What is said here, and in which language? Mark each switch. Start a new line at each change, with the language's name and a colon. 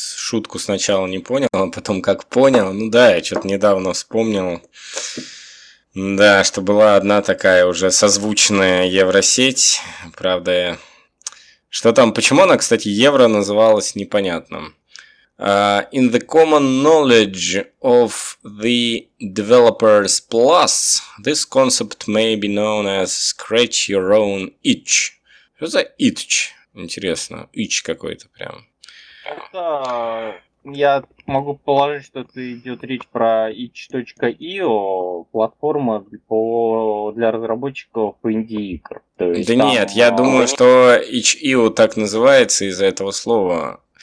Russian: Шутку сначала не понял, а потом как понял. Ну да, я что-то недавно вспомнил. Да, что была одна такая уже созвучная Евросеть. Правда, что там, почему она, кстати, Евро называлась, непонятно.
English: In the common knowledge of the developers plus, this concept may be known as scratch your own itch.
Russian: Что за itch? Интересно, itch какой-то прям. Это, я могу положить, что это идет речь про itch.io, платформа для разработчиков инди-игр. Да нет, там, я думаю, что itch.io так называется из-за этого слова.